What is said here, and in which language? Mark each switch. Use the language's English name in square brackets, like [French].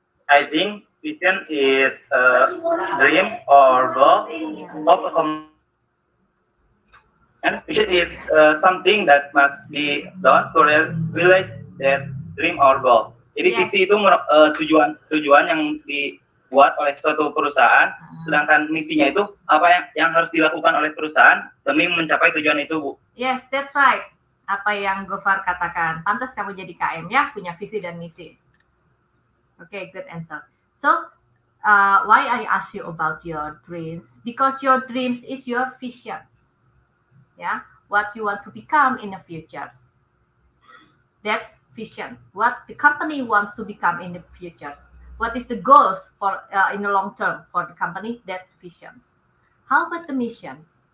[English] I think vision is a dream or goal of a company. And vision is something that must be done to realize that dream or goal. [Indonesian] Jadi visi itu tujuan yang dibuat oleh suatu perusahaan, sedangkan misinya itu apa yang harus dilakukan oleh perusahaan demi mencapai tujuan itu, Bu. [English] Yes, that's right. [Indonesian] Apa yang Gofar katakan, pantas kamu jadi KM ya, punya visi dan misi. [English] Okay, good answer. So, why I ask you about your dreams? Because your dreams is your visions. Yeah, what you want to become in the future. That's visions. What the company wants to become in the future. What is the goals for in the long term for the company? That's visions. How about the missions?